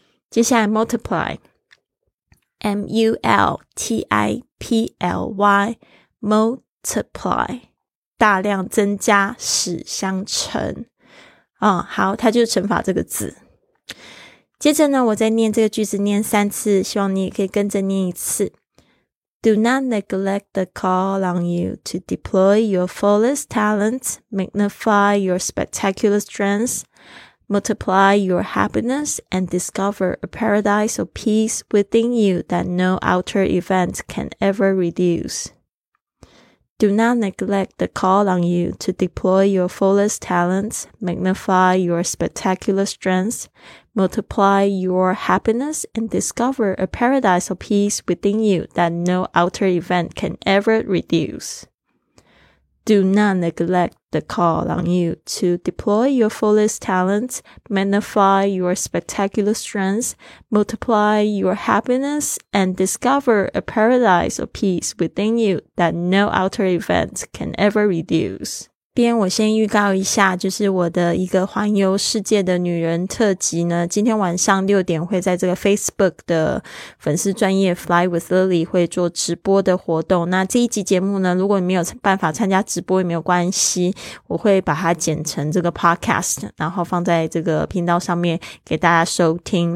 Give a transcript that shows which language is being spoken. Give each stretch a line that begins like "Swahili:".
Chinese: 接下来 multiply,M-U-L-T-I-P-L-Y, multiply, 大量增加，使相乘。好，它就是乘法这个字。接着呢，我再念这个句子念三次，希望你也可以跟着念一次。
English: Do not neglect the call on you to deploy your fullest talents, magnify your spectacular strengths,Multiply your happiness and discover a paradise of peace within you that no outer event can ever reduce. Do not neglect the call on you to deploy your fullest talents, magnify your spectacular strengths, multiply your happiness and discover a paradise of peace within you that no outer event can ever reduce. Do not neglect the call on you to deploy your fullest talents, magnify your spectacular strengths, multiply your happiness, and discover a paradise of peace within you that no outer event can ever reduce.
Chinese: 边我先预告一下，就是我的一个环游世界的女人特辑呢，今天晚上六点会在这个 Facebook 的粉丝专页 Fly with Lily 会做直播的活动。那这一集节目呢，如果你没有办法参加直播也没有关系，我会把它剪成这个 podcast, 然后放在这个频道上面给大家收听。